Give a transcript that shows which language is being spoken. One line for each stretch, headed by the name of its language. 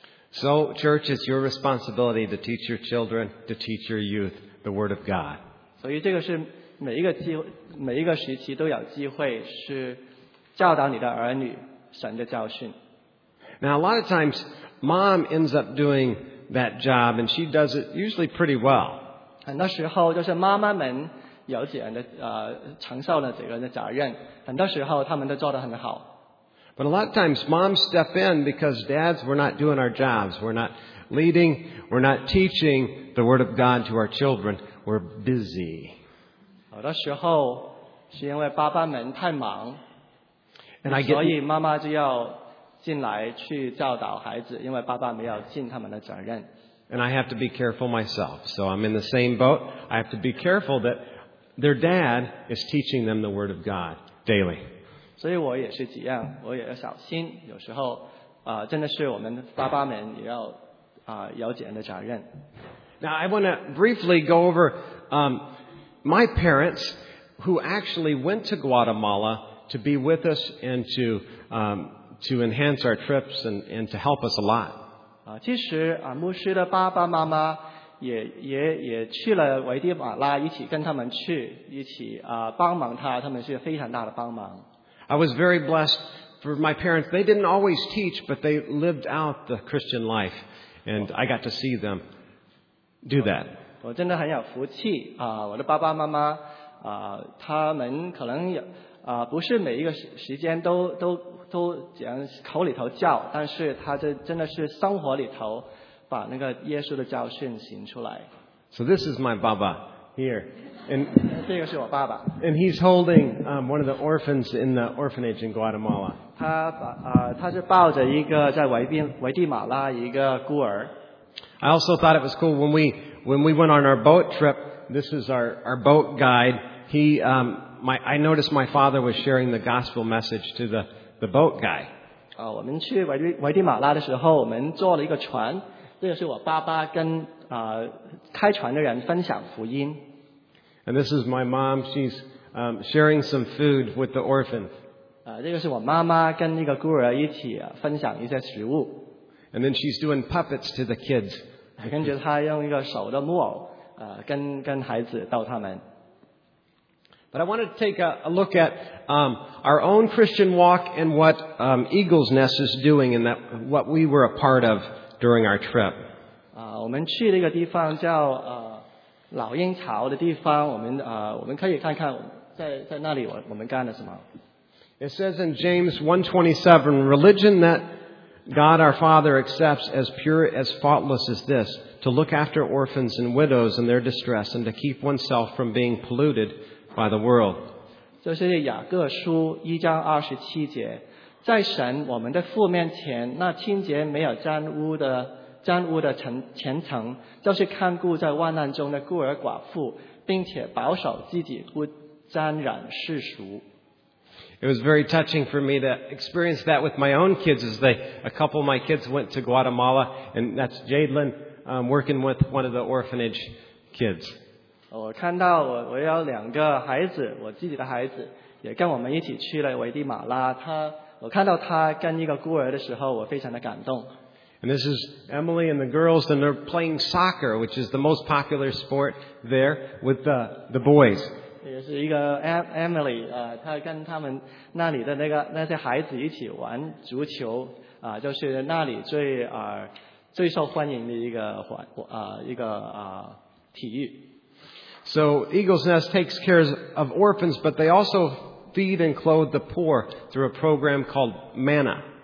English: So, church, it's your responsibility to teach your children, to teach your youth the Word of God.
Chinese: 所以这个是每一个时期都有机会是教导你的儿女神的教训。
English: Now a lot of times, mom ends up doing that job, and she does it usually pretty well.
Chinese: 很多时候就是妈妈们有这样的承受了这个的责任，很多时候他们都做得很好。
English: But a lot of times, moms step in because dads were not doing our jobs, we're not leading, we're not teaching the word of God to our children, we're busy.
Chinese: 有的时候是因为爸爸们太忙，所以妈妈就要进来去教导孩子，因为爸爸没有尽他们的责任。
English: And I have to be careful myself, so I'm in the same boat. I have to be careful that their dad is teaching them the Word of God daily.
Chinese: 所以我也是这样，我也要小心。有时候，真的是我们爸爸们也要有这样的责任。
English: Now I want to briefly go over, My parents, who actually went to Guatemala to be with us and to enhance our trips and to help us a lot.
Chinese: 其实牧师的爸爸妈妈也去了危地马拉，一起跟他们去，一起啊帮忙他，他们是非常大的帮忙。
English: I was very blessed for my parents. They didn't always teach, but they lived out the Christian life, and I got to see them do that.
Chinese: 我真的很有福气啊！我的爸爸妈妈啊，他们可能有啊，不是每一个时间都讲口里头叫，但是他这真的是生活里头。把那个耶稣的教训行出来。
English: So this is my Baba here, and
Chinese: 这个是我爸爸。
English: And he's holding one of the orphans in the orphanage in Guatemala.
Chinese: 他是抱着一个在危地马拉一个孤儿。
English: I also thought it was cool when we went on our boat trip. This is our boat guide. I noticed my father was sharing the gospel message to the boat guy.
Chinese: 我们去危地马拉的时候，我们坐了一个船。这个是我爸爸跟开船的人分享福音。
English: And this is my mom. She's sharing some food with the orphan.
Chinese: 这个是我妈妈跟那个孤儿一起分享一些食物。
English: And then she's doing puppets to the kids.
Chinese: 跟着她用一个手的木偶跟孩子逗他们。
English: But I wanted to take a look at our own Christian walk and what Eagle's Nest is doing and that what we were a part of. During our trip,
Chinese: 我们去那个地方叫老鹰巢的地方。我们可以看看在那里我们干了什么。
English: It says in James 1:27, "Religion that God our Father accepts as pure as faultless as this: to look after orphans and widows in their distress, and to keep oneself from being polluted by the world."
Chinese: 这是雅各书一章二十七节。在神我们的父面前，那清洁没有沾污的虔诚，就是看顾在患难中的孤儿寡妇，并且保守自己不沾染世俗。
English: It was very touching for me to experience that with my own kids. A couple of my kids went to Guatemala, and that's Jadlin working with one of the orphanage kids.
Chinese: 我看到我有两个孩子，我自己的孩子也跟我们一起去了危地马拉，他。我看到他跟一个孤儿的时候，我非常的感动。
English: And this is Emily and the girls, and they're playing soccer, which is the most popular sport there with the boys.
Chinese: 也是一个 Emily, 她跟他们那里的那些孩子一起玩足球，就是那里最受欢迎的一个体育。
English: So Eagle's Nest takes care of orphans, but they also feed and clothe the poor through a program called Manna.